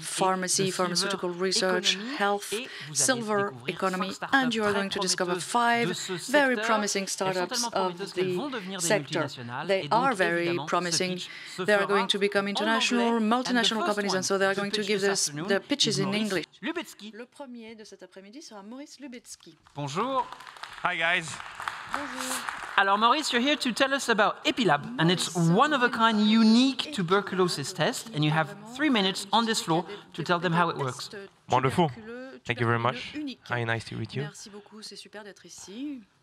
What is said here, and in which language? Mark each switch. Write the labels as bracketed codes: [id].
[en] Pharmacy, pharmaceutical research, health, silver economy, and you are going to discover five very promising startups of the sector. They are very promising. They are going to become international, multinational companies, and so they are going to give us the pitches in English. LUBETZKI. [fr] Le premier de cet après-midi sera Maurice LUBETZKI. Bonjour. [en] Hi, guys. [fr] Bonjour. [en] Alors, Maurice, you're here to tell us about EPILAB, and it's one-of-a-kind unique tuberculosis test, and you have 3 minutes on this floor to tell them how it works. Wonderful. Thank you very much. Hi, nice to meet you. [fr] Merci beaucoup. C'est super d'être ici.